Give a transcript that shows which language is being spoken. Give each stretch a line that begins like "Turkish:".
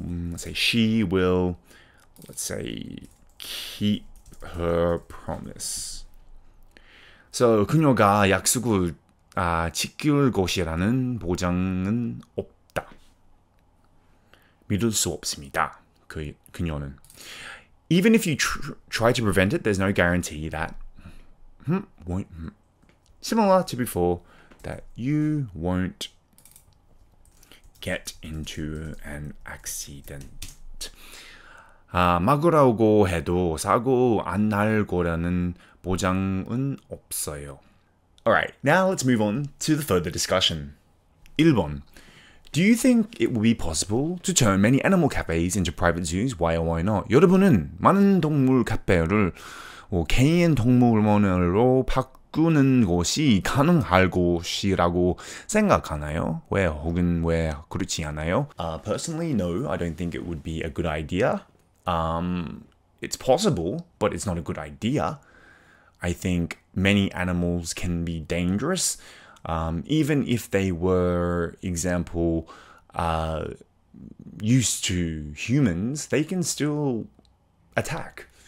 English: let's say she will... Let's say... Keep her promise.
Korean: So, 그녀가 약속을 지킬 것이라는 보장은 없다. 믿을 수 없습니다. 그녀는.
English: Even if you try to prevent it, there's no guarantee that won't. Similar to before, that you won't get into an accident.
Korean: 막으라고 해도 사고 안 날 거라는 보장은 없어요.
English: Alright, now let's move on to the further discussion.
Korean: 1번.
English: Do you think it will be possible to turn many animal cafes into private zoos? Why or why not?
Korean: 여러분은 많은 동물 카페를 뭐 개인 동물원으로 바꾸는 것이 가능할 것이라고 생각하나요? 왜 혹은 왜 그렇지 않아요?
English: Personally, no. I don't think it would be a good idea. It's possible, but it's not a good idea. I think many animals can be dangerous. Even if they were, example, used to humans, they can still attack.